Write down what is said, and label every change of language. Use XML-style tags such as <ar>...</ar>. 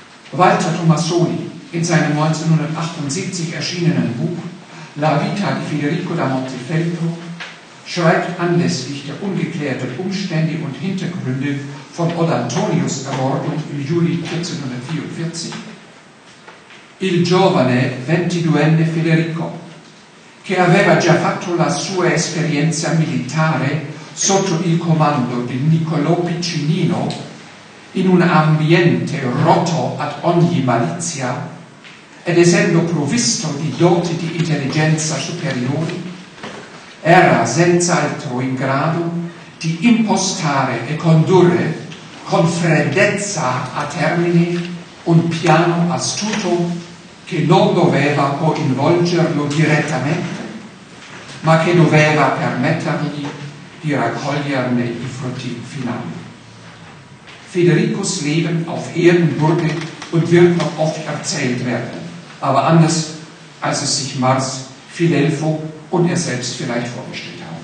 <de>Walter Tomassoni in seinem 1978 erschienenen Buch La Vita di Federico da Montefeltro schreibt anlässlich der ungeklärten Umstände und Hintergründe von Odantonius' Ermordung im Juli 1444.</de> <it>Il giovane 22enne Federico, che aveva già fatto la sua esperienza militare sotto il comando di Niccolò Piccinino in un ambiente rotto ad ogni malizia, ed essendo provvisto di doti di intelligenza superiori, era senz'altro in grado di impostare e condurre con freddezza a termine un piano astuto che non doveva coinvolgerlo direttamente, ma che doveva permettergli di raccoglierne i frutti finali.</it> <de>Federicus Leben auf Erden wurde und wird noch oft erzählt werden, aber anders, als es sich Mars, Filelfo und er selbst vielleicht vorgestellt haben.</de>